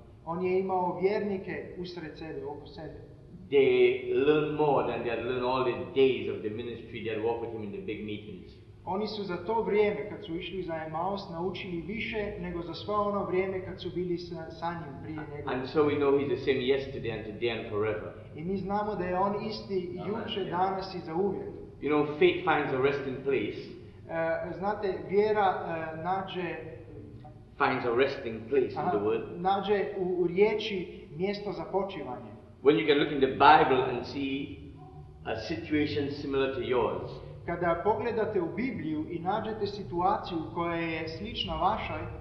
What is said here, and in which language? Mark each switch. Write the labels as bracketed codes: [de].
[hr] On je imao vjernike usred sebe, oko sebe. [en] They learned more than they had learned all the days of the ministry they had walked with him in the big meetings. [hr] Oni su za to vrijeme kad su išli za Emmaus naučili više nego za sve ono vrijeme kad su bili sa njim prije njega. [en] And so we know he's the same yesterday and today and forever. [hr] I mi znamo da je on isti jučer, danas i za uvijek. [en] You know, faith finds a resting place. [hr] Znate, vjera nađe... [en] Finds a resting place in the word. [hr] Nađe u riječi mjesto za počivanje. [en] When you can look in the Bible and see a situation similar to yours. [hr] Kada pogledate u Bibliju i nađete situaciju koja je slična vašoj.